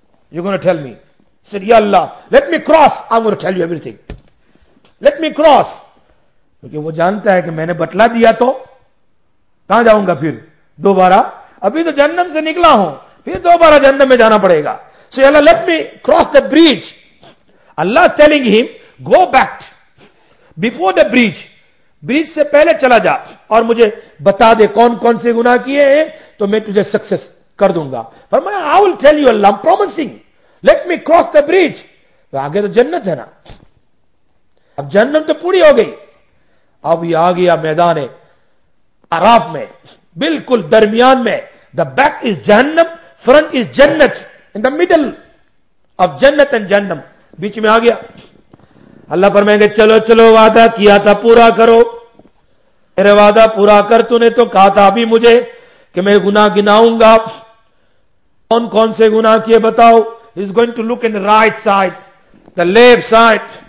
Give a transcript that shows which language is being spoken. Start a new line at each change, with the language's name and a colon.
English: You're going to tell me. Said, Ya Allah, let me cross. I'm going to tell you everything. Let me cross.
Urdu: کیونکہ وہ جانتا ہے کہ میں نے بتلا دیا تو کہاں جاؤں گا پھر دوبارہ. ابھی تو جہنم سے نکلا ہوں, پھر دوبارہ جہنم میں جانا پڑے گا.
English: So Allah, let me cross the bridge. Allah is telling him, go back before the bridge. Bridge
Urdu: سے پہلے چلا جا اور مجھے بتا دے کون کون سے گناہ کیے ہیں, تو میں تجھے سکسس کر دوں گا. فرمایا,
English: I will tell you Allah, I'm promising. Let me cross the bridge.
Urdu: آگے تو جنت ہے نا, اب جہنم تو پوری ہو گئی. اب یہ آگیا میدان عراف میں, بالکل درمیان میں.
English: The back is جہنم, front is جنت. In the middle of
Urdu: جنت and جہنم, بیچ میں آ گیا. اللہ فرمائیں گے چلو چلو, وعدہ کیا تھا پورا کرو. میرے وعدہ پورا کر تو نے تو کہا تھا ابھی مجھے کہ میں گناہ گناؤں گا. کون کون سے گناہ کیے بتاؤ.
English: He's going to look in the right side, the left side.